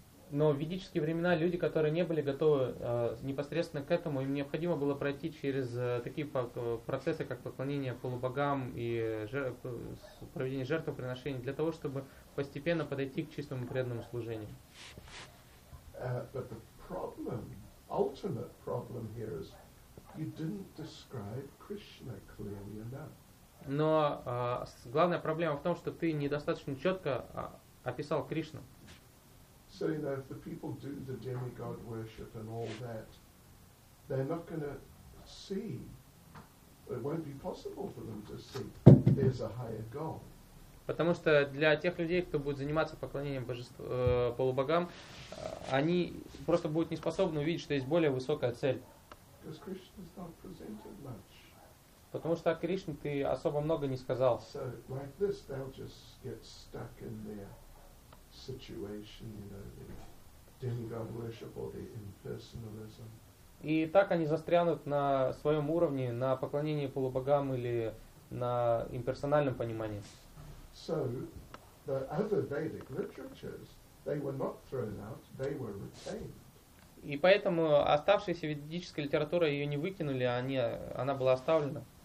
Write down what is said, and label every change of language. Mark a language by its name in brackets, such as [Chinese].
[Russian] Но в ведические времена люди, которые не были готовы непосредственно к этому, им необходимо было пройти через такие процессы, как поклонение полубогам и проведение жертвоприношений, для того, чтобы постепенно подойти к чистому преданному служению. [English] But the problem, ultimate problem here is, you didn't describe Krishna clearly enough. [Russian] Но главная проблема в том, что ты недостаточно четко описал Кришну. [English] So, you know, if the people do the demigod worship and all that, they're not going to see, it won't be possible for them to see there's a higher goal. [Russian] Потому что для тех людей, кто будет заниматься поклонением божеству, полубогам, они просто будут не способны увидеть, что есть более высокая цель. [English] Because Krishna is not presented much. [Russian] Потому что о Кришне ты особо много не сказал. [English] So, like this, they'll just get stuck in their situation, you know, the demigod worship or the impersonalism. [Russian] И так они застрянут на своем уровне, на поклонении полубогам или на имперсональном понимании. [English] So, the other Vedic literatures, they were not thrown out, they were retained. [Russian] И поэтому оставшаяся ведическая литература, ее не выкинули, она была оставлена.